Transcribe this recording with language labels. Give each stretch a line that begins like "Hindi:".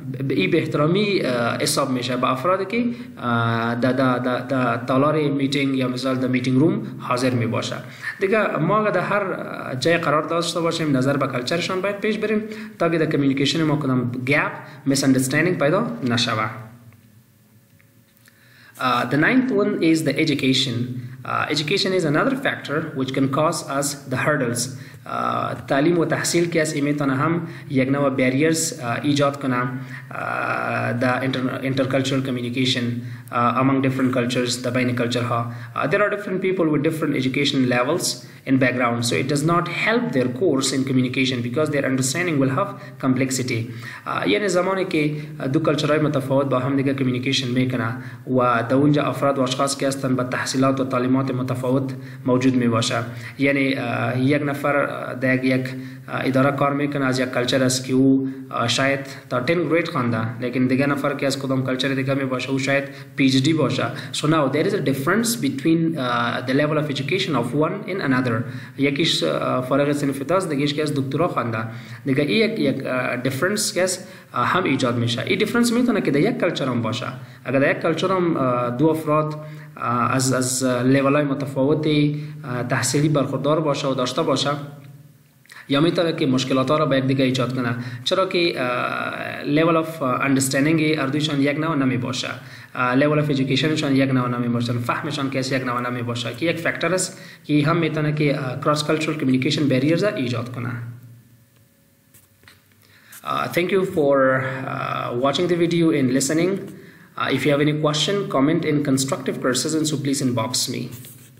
Persian: ای به احترامی حساب میشه به افرادی که در تالار میتینگ یا مثال در میتینگ روم حاضر می باشه. دیگه ما اگر در هر جای قرار داشته باشیم نظر به کلچرشان باید پیش بریم تا که در کمیونیکیشن ما کدام گپ میس اندرستندینگ پیدا نشوه.
English: The ninth one is the education. Education is another factor which can cause us the hurdles.
Persian: تعلیم و تحصیل که از ایمیتانه هم یک نوع barriers ایجاد کنه
English: the intercultural communication among different cultures, the
Persian: بین culture ها.
English: There are different people with different education levels and background, so it does not help their course in communication because their understanding will have complexity.
Persian: یعنی زمانی که دو کلچرهای متفاوت با هم دیگه communication میکنه و دا اونجا افراد و اشخاص که هستن با تحصیلات و تعلیمات متفاوت موجود میباشه. یعنی یک نفر در یک اداره کار میکنه از یک کلچر است که او شاید تا 10 گریت خوانده، لیکن دیگه نفر که از کدام کلچر دیگه میباشه او شاید PhD باشه.
English: So now there is a difference between the level of education of one in another.
Persian: یکیش فارغ صنف است، دیگه که از دکترا خوانده، دیگه ای یک دیفرنس که از هم ایجاد میشه. این دیفرنس میتونه که در یک کلچر هم باشه. اگر در یک کلچر هم دو افراد از لیول های متفاوت تحصیلی برخوردار باشه و داشته باشه، یا میتونه که مشکلات ها را به یک دیگه ایجاد کنه، چرا که لیول آف اندرستندینگ اردویشان یک نوع نمی باشه، لیول آف ایژوکیشنشان یک نوع نمی باشه، فهمشان کسی یک نوع نمی باشه، که یک فکتر است که هم میتونه که کراس کلچرال کمیونیکیشن بریرز ایجاد کنه.
English: Thank you for watching the video and listening. If you have any question, comment in constructive criticism, so please inbox me.